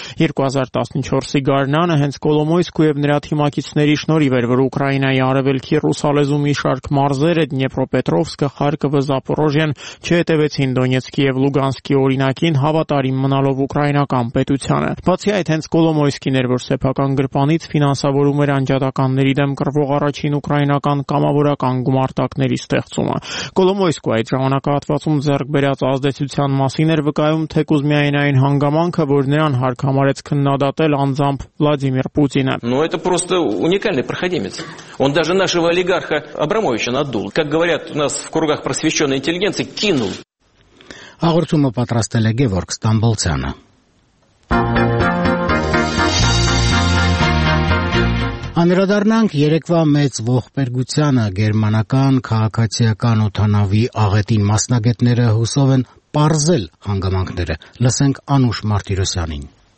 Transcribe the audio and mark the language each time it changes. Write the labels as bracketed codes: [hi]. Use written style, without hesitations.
[hy] 2014-ի գարնանը հենց Կոլոմոյսկու և նրա թիմակիցների շնորհիվ էր, որ Ուկրաինայի արևելքի ռուսալեզու մի շարք մարզերը՝ Դնեպրոպետրովսկը, Խարկովը, Զապորոժյան, չհետևեցին Դոնեցկի և Լուգանսկի օրինակին, հավատարիմ մնալով ուկրաինական պետությանը։ Բացի այդ, հենց Կոլոմոյսկին էր, որ սեփական գրպանից ֆինանսավորում էր անջատականների դեմ կռվող առաջին ուկրաինական կամավորական գումարտակների ստեղծումը։ Կոլոմոյսկու այդ ժամանակահատվածում ձեռք բերած ազդեցության մասին էր վկայում, թե կուզ միայն այն հանգամանքը, որ նրան հարկամարեց քննադատել անձամբ Վլադիմիր Պուտինը։ [ru] Ну это просто уникальный проходимец. Он даже нашего олигарха Абрамовича надул. Как говорят у нас в кругах просвещённой интеллигенции, кинул. [hy] Հաղորդումը պատրաստել է Գևորգ Ստամբոլցյանը։ Անդրադառնանք երեկվա մեծ ողբերգությանը, գերմանական քաղաքացիական օթանավի աղետին մասնագետները հուսով են պարզել հանգամանքները։ Լսենք Անուշ Մարտիրոսյանին։